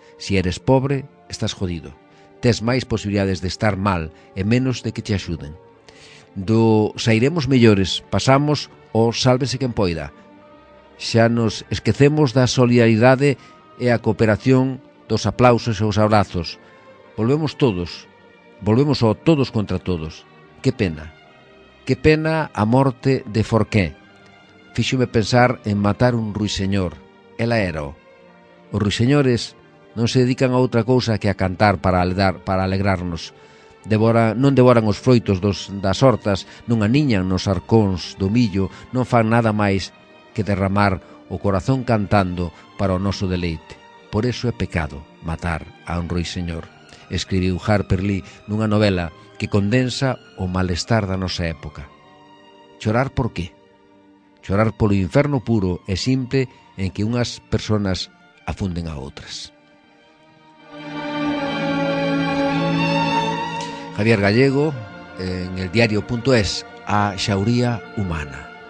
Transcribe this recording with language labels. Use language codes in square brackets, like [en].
[es] Si eres pobre, estás jodido. [gl] Tes máis posibilidades de estar mal e menos de que te axuden. Do sairemos mellores, pasamos o sálvese quen poida. Xa nos esquecemos da solidaridade e a cooperación, dos aplausos e os abrazos. Volvemos todos, volvemos ao todos contra todos. Que pena. Que pena a morte de Forqué. Fíxome pensar en matar un ruiseñor. Ela era o. Os ruiseñores non se dedican a outra cousa que a cantar para alegrarnos. Non devoran os froitos das hortas, non aniñan nos arcóns do millo, non fan nada máis que derramar o corazón cantando para o noso deleite. Por eso é pecado matar a un ruiseñor, escribiu Harper Lee nunha novela que condensa o malestar da nosa época. Chorar por qué? Chorar polo inferno puro e simple en que unhas persoas afunden a outras. Javier Gallego, en el diario.es, a xauría humana.